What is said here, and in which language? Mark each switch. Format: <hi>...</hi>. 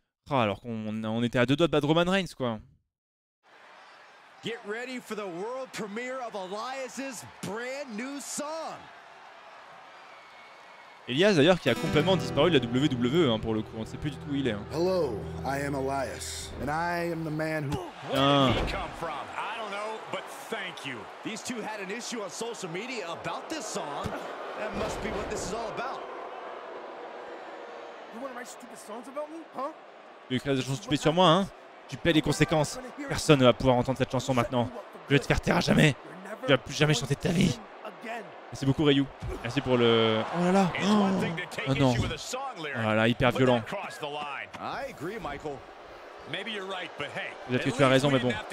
<fr>Oh, alors qu'on était à deux doigts de battre Roman Reigns, quoi.</fr> <en>Get ready for the world premiere of Elias's brand new song.</en> <fr>Elias d'ailleurs qui a complètement disparu de la WWE hein, pour le coup, on ne sait plus du tout où il est. Hein.</fr> <en>Hello, I am Elias and I am the man who come from. I don't know, but thank you. These two had an issue on social media about this song. That must be what this is all about. You want to write stupid songs about me? Huh?</en> <fr>Tu veux écrire des chansons stupides sur moi, hein? Tu paies les conséquences. Personne ne va pouvoir entendre cette chanson maintenant. Je vais te faire taire à jamais. Tu vas plus jamais chanter de ta vie. Merci beaucoup, Ryu. Merci pour le... Oh là là. Oh, oh non. Oh là là, hyper violent. Peut-être que tu as raison, mais bon.</fr>